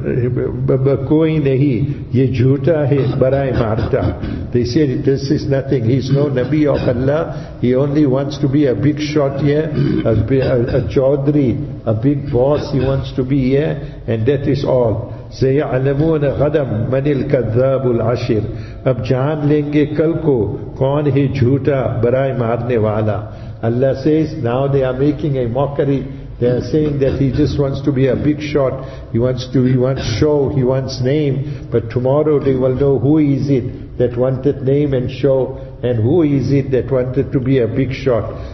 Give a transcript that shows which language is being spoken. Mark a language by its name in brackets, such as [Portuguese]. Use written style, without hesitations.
[Urdu] Koi nahi, ye jhoota hai, barai marta. [English] They said, this is nothing. He's no Nabi of Allah. He only wants to be a big shot here, a chaudhry, a big boss. He wants to be here, and that is all. [Arabic] سَيَعْلَمُونَ غَدَمْ مَنِ الْكَذَّابُ الْعَشِرِ. [Urdu] اب جان لیں گے کل کو کون ہے جھوٹا برائے مارنے والا. [English] Allah says, now they are making a mockery. They are saying that he just wants to be a big shot. He wants show, he wants name. But tomorrow they will know who is it that wanted name and show, and who is it that wanted to be a big shot.